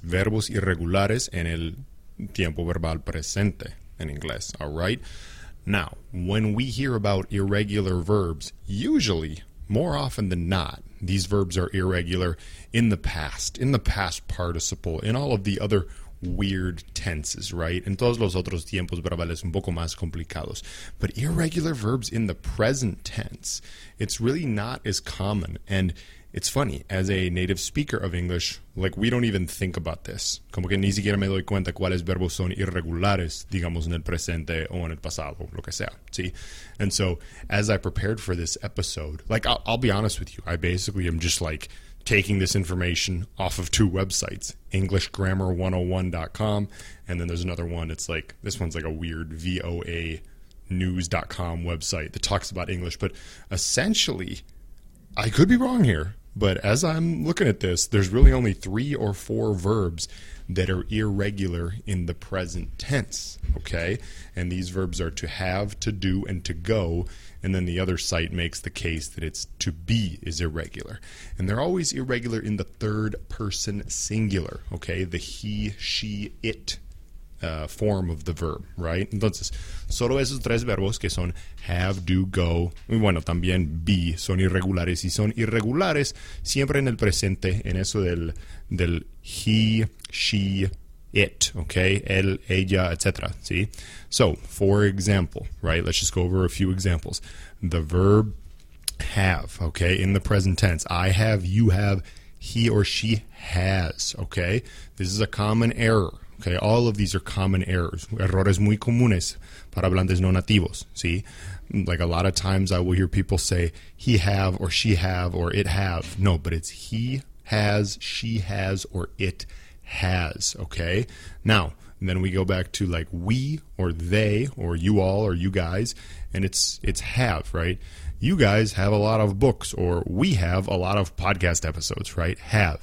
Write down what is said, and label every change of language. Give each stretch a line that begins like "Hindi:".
Spanish: Verbos irregulares en el tiempo verbal presente en inglés.
English: All right? Now, when we hear about irregular verbs, usually, more often than not, these verbs are irregular in the past participle, in all of the other weird tenses, right?
Spanish: En todos los otros tiempos verbales un poco más complicados.
English: But irregular verbs in the present tense, it's really not as common. And it's funny, as a native speaker of English, like, we don't even think about this.
Spanish: Como que ni siquiera me doy cuenta cuáles verbos son irregulares, digamos, en el presente o en el pasado, lo que sea, ¿sí?
English: And so, as I prepared for this episode, like, I'll be honest with you, I basically am just, like, taking this information off of two websites, EnglishGrammar101.com, and then there's another one, it's like, this one's like a weird VOANews.com website that talks about English, but essentially, I could be wrong here, but as I'm looking at this, there's really only three or four verbs that are irregular in the present tense, okay? And these verbs are to have, to do, and to go, and then the other site makes the case that it's to be is irregular. And they're always irregular in the third person singular, okay? The he, she, it form of the verb, right?
Spanish: Entonces, solo esos tres verbos que son have, do, go, y bueno, también be, son irregulares, y son irregulares siempre en el presente, en eso del he, she, it, okay? Él, ella, etc., ¿sí?
English: So, for example, right? Let's just go over a few examples. The verb have, okay? In the present tense, I have, you have, he or she has, okay? This is a common error. Okay, all of these are common errors.
Spanish: Errores muy comunes para hablantes no nativos, ¿sí?
English: Like a lot of times I will hear people say he have or she have or it have. No, but it's he has, she has, or it has, okay? Now, and then we go back to like we or they or you all or you guys, and it's have, right? You guys have a lot of books, or we have a lot of podcast episodes, right? Have.